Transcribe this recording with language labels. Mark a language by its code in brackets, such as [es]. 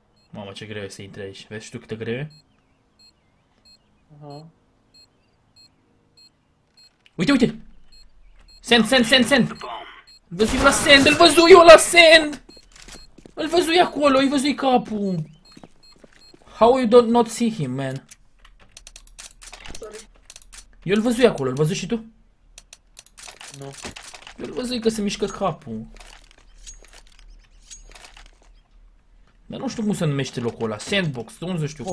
[ro] Mamă, ce greu e să intri aici. Vezi și tu cât de greu e? Uite, uite! Send! Văzui la send, îl văzui eu la send! Îl văzui acolo, îi văzui capul! [en] How you don't not see him, man? Sorry. [ro] Eu îl văzui acolo, îl văzui și tu? Nu. [en] No. [ro] Eu îl văzui că se mișcă capul. Dar nu știu cum se numește locul ăla, sandbox, nu știu cum.